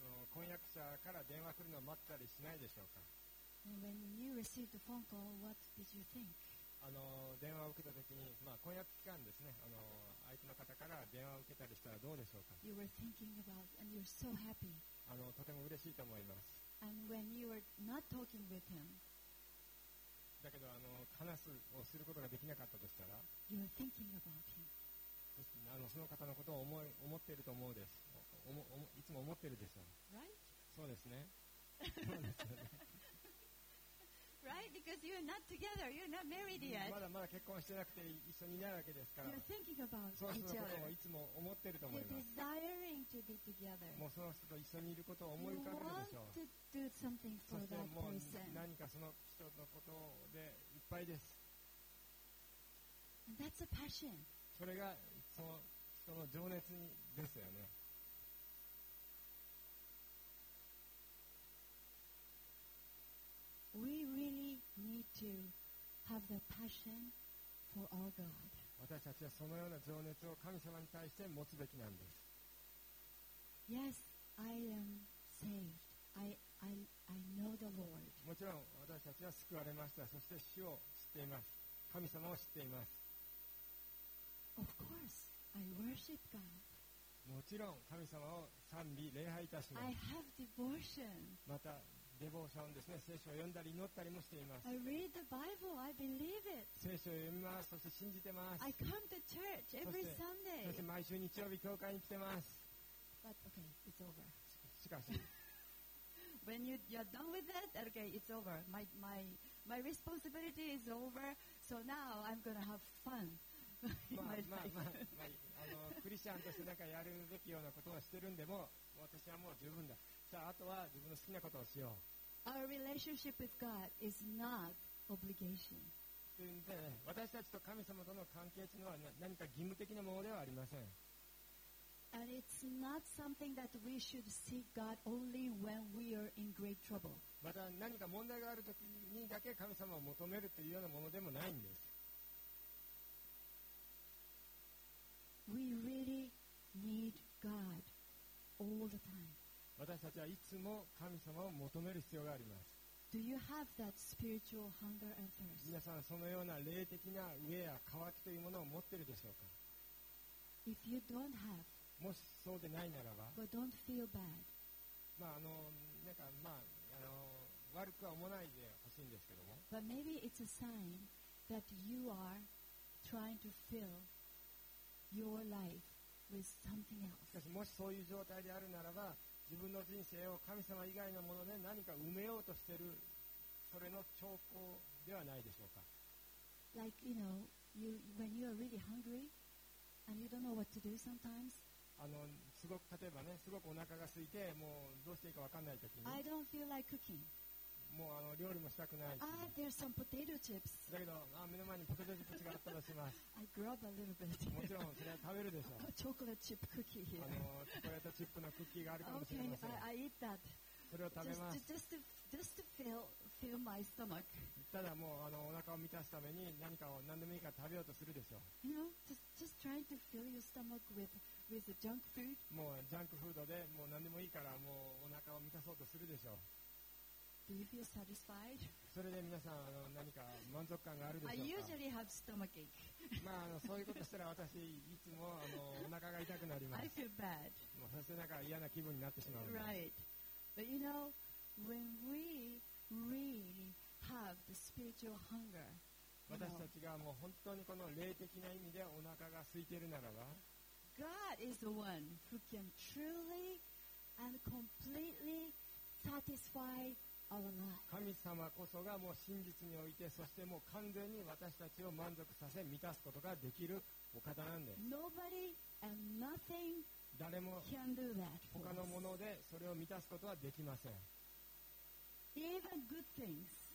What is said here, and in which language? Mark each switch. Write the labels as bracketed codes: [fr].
[ja] 婚約者から電話来るのを待ったりしないでしょうか。 [en] When you received the phone call, what did you think? [ja] 電話を受けた時に、婚約期間ですね、相手の方から電話を受けたりしたらどうでしょうか。 [en] You were thinking about and you're so happy. [ja] とても嬉しいと思います。 [en] And when you were not talking with him, [ja] だけど話すをすることができなかったとしたら、 [en] You were thinking about him. [ja] その方のことを思っていると思うです。いつも思ってるでしょ、 [en] right? [ja] そうですね。 [en] Right? Because you're not together. You're not married yet. [ja] まだ結婚してなくて一緒にいないわけですから。 [en] You're thinking about each other. [ja] そういうことをいつも思ってると思います。 [en] You're desiring to be together. [ja] もうその人と一緒にいることを思い浮かべるでしょう。 [en] You want to do something for that person. [ja] そしてもう何かその人のことでいっぱいです。 [en] And that's a passion. [ja] それがその人の情熱ですよね。 [en] We really need to have the passion for our God. [ja] 私たちはそのような情熱を神様に対して持つべきなんです。 [en] Yes, I am saved. I know the Lord. [ja] もちろん私たちは救われました。そして主を知っています。神様を知っています。 [en] Of course, I worship God. [ja] もちろん神様を賛美、礼拝いたします。 [en] I have devotion. [ja] また、デボーションですね。聖書を読んだり祈ったりもしています。 [en] I read the Bible. I believe it. [ja] 聖書を読みます。そして信じてます。 [en] I come to church every Sunday. [ja] そして毎週日曜日教会に来てます。 [en] But okay, it's over. [ja] しかし。 [en] When you're done with that, okay, it's over. My responsibility is over. So now I'm going to have fun. [ja] クリスチャンとしてなんかやるべきようなことをしてるんでも、私はもう十分だ。さあ、あとは自分の好きなことをしよう。 [en] Our relationship with God is not obligation. [ja] というんで、私たちと神様との関係というのは何か義務的なものではありません。 [en] And it's not something that we should seek God only when we are in great trouble. [ja] また何か問題があるときにだけ神様を求めるというようなものでもないんです。 [en] We really need God all the time. [ja] 私たちはいつも神様を求める必要があります。 [en] Do you have that spiritual hunger and thirst? [ja] 皆さんそのような霊的な飢えや渇きというものを持っているでしょうか? [en] If you don't have, [ja] もしそうでないならば、 [en] but don't feel bad. [ja] まああのなんかまああの悪くは思わないでほしいんですけども。 [en] But maybe it's a sign that you are trying to fill your life with something else. [ja] しかしもしそういう状態であるならば。自分の人生を神様以外のもので何か埋めようとしているそれの兆候ではないでしょうか。 [en] Like you know, you when you are really hungry and you don't know what to do sometimes. [ja] あのすごく例えばね、すごくお腹が空いてもうどうしていいか分かんないときに。 [en] I don't feel like cooking. [ja] もうあの料理もしたくない。 [en] Ah, there's some potato chips. [ja] だけど、あ目の前にポテトチップスがあったとします。 [en] I grab a little bit. [ja] もちろんそれは食べるでしょう。 [en] チョコレートチップクッキー here. [ja] あのチョコレートチップのクッキーがあるかもしれません。 [en] Okay, I eat that. [ja] それを食べます。 [en] Just to fill my stomach. [ja] ただもうあのお腹を満たすために何かを何でもいいから食べようとするでしょう。 [en] You know, just trying to fill your stomach with junk food. [ja] もうジャンクフードでもう何でもいいからもうお腹を満たそうとするでしょう。 [en] Do you feel satisfied? [ja] それで皆さんあの何か満足感があるでしょうか? [en] I usually have stomach ache. [ja] まああのそういうことしたら私いつもあのお腹が痛くなります。 [en] I feel bad. [ja] もうそしてなんか嫌な気分になってしまうんです。 [en] But you know, when we really have the spiritual hunger, [ja] 私たちがもう本当にこの霊的な意味でお腹が空いているならば、 [en] God is the one who can truly and completely satisfy [ja] 神様こそがもう真実においてそしてもう完全に私たちを満足させ満たすことができるお方なんです。 [en] Nobody and nothing [ja] 誰も他のものでそれを満たすことはできません。 [en] Even good things